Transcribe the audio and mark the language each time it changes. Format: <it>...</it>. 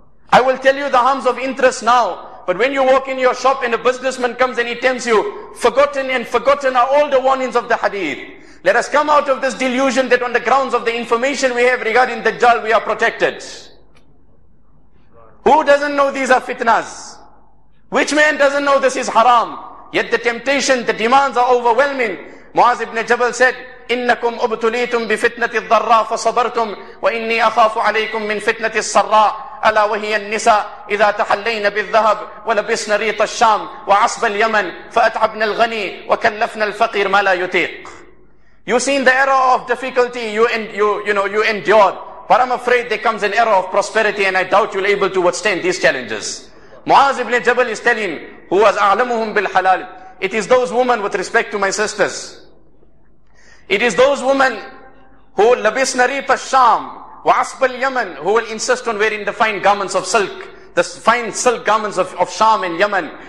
<en>I will tell you the harms of interest now. But when you walk in your shop and a businessman comes and he tempts you, forgotten are all the warnings of the hadith. Let us come out of this delusion that on the grounds of the information we have regarding Dajjal, we are protected. Who doesn't know these are fitnas? Which man doesn't know this is haram? Yet the temptation, the demands are overwhelming. Muaz ibn Jabal said,</en> <ar>إِنَّكُمْ أُبْتُلِيتُمْ بِفِتْنَةِ الضَّرَّى فَصَبَرْتُمْ وَإِنِّي أَخَافُ عَلَيْكُمْ مِنْ فِتْنَةِ السَّرَّى أَلَا وَهِيَ النِّسَاءُ إِذَا تَحَلَّيْنَ بِالذَّهَبِ وَلَبِسْنَ رِيطَ الشَّامِ وَعَصْبَ الْيَمَنِ فَأَتْعَبْنَا الْغَنِيَّ وَكَلَّفْنَا الْفَقِيرَ مَا لَا يُطِيقُ.</ar> <en>You seen the era of difficulty you endured, but I'm afraid there comes an era of prosperity and I doubt you'll able to withstand these challenges. Muaz ibn Jabal is telling, who was</en> <ar>أَعْلَمُهُمْ بِالْحَلَالِ.</ar> <en>It is those women, with respect to my sisters. It is those women who</en> <ar>labisna rifa sham wa asbal yaman,</ar> <en>who will insist on wearing the fine garments of silk, the fine silk garments of Sham and Yemen.</en>